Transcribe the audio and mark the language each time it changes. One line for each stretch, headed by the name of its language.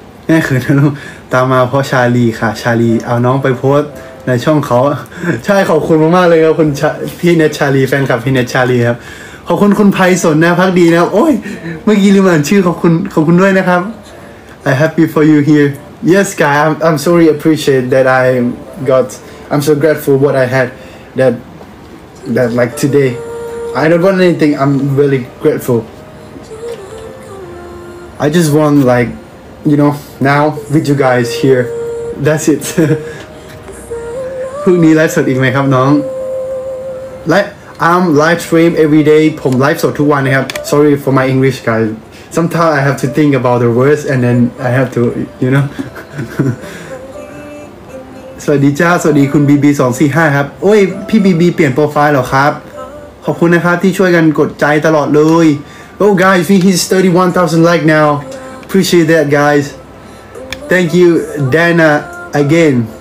Thai: นี่คือน้องตามมาเพราะชาลีค่ะชาลีเอาน้องไปโพสในช่องเขาใช่ขอบคุณมากๆเลยครับคุณพี่เนทชาลีแฟนคลับพี่เนทชาลีครับขอบคุณคุณไพศาลนะพักดีนะโอ้ยเมื่อกี้ลืมอ่านชื่อขอบคุณด้วยนะครับ
English: I happy for you here. Yes, guys. I'm so really appreciate that I got. I'm so grateful what I had that like today. I don't want anything. I'm really gratefulI just want like, you know, now with you guys here. That's it.
Thai: พรุ่งนี้ไลฟ์สดอีกไหมครับน้องและ
English: I'm live stream every day.
Thai: ผมไลฟ์สดทุกวันนะครับ
English: Sorry for my English guys. Sometimes I have to think about the words and then I have to, you know.
Thai: สวัสดีจ้าสวัสดีคุณ BB 245ครับโอ้ยพี่ BB เปลี่ยนโปรไฟล์เหรอครับขอบคุณนะครับที่ช่วยกันกดใจตลอดเลย
English: Oh guys, he hits 31,000 like now. Appreciate that, guys. Thank you, Dana, again.